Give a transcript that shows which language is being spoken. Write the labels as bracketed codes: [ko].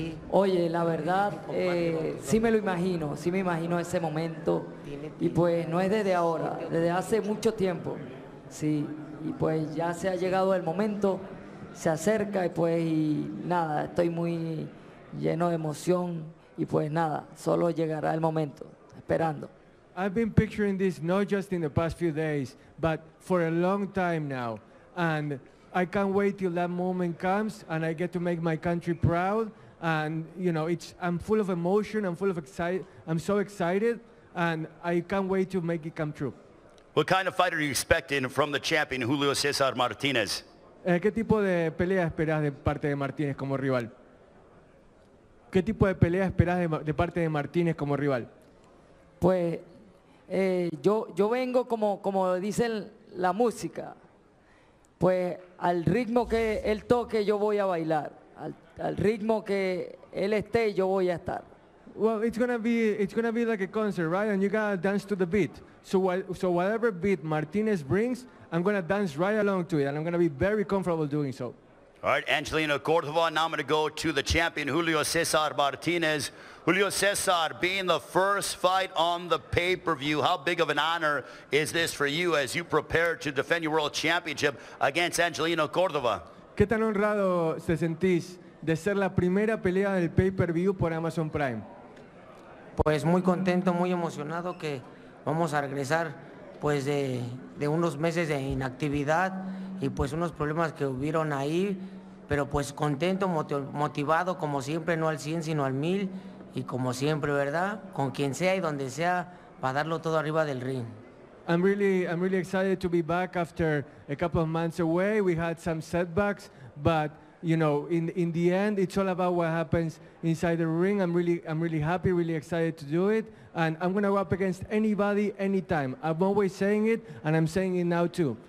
[es] Oye, la verdad, sí me lo imagino, sí me imagino ese momento. Y pues no es desde ahora, desde hace mucho tiempo. Sí, y pues ya se ha llegado el momento, se acerca y pues y nada, estoy muy lleno de emoción y pues nada, solo llegará el momento, esperando. [en] I've been picturing this not just in the past few days, but for a long time now. And I can't wait till that moment comes and I get to make my country proud. And, you know, I'm full of emotion, I'm full of excitement, I'm so excited, and I can't wait to make it come true. What kind of fighter are you expecting from the champion, Julio Cesar Martinez? [es] ¿Qué tipo de pelea esperas de parte de Martinez como rival? ¿Qué tipo de pelea esperas de parte de Martinez como rival? Pues, yo vengo como dicen la música, pues al ritmo que él toque yo voy a bailar. Al ritmo que él esté, yo voy a estar. [en] Well, it's gonna be like a concert, right? And you gotta dance to the beat. So whatever beat Martinez brings, I'm gonna dance right along to it, and I'm gonna be very comfortable doing so. All right, Angelino Cordova. Now I'm gonna go to the champion, Julio Cesar Martinez. Julio Cesar, being the first fight on the pay-per-view, how big of an honor is this for you as you prepare to defend your world championship against Angelino Cordova? [es] ¿Qué tan honrado se sentís de ser la primera pelea del pay-per-view por Amazon Prime? Pues muy contento, muy emocionado que vamos a regresar pues de unos meses de inactividad y pues unos problemas que hubieron ahí, pero pues contento, motivado como siempre, no al 100 sino al 1000 y como siempre, ¿verdad? Con quien sea y donde sea para darlo todo arriba del ring. [en] I'm really excited to be back after a couple of months away. We had some setbacks, but you know, in the end, it's all about what happens inside the ring. I'm really happy, really excited to do it. And I'm gonna go up against anybody, anytime. I'm always saying it, and I'm saying it now too.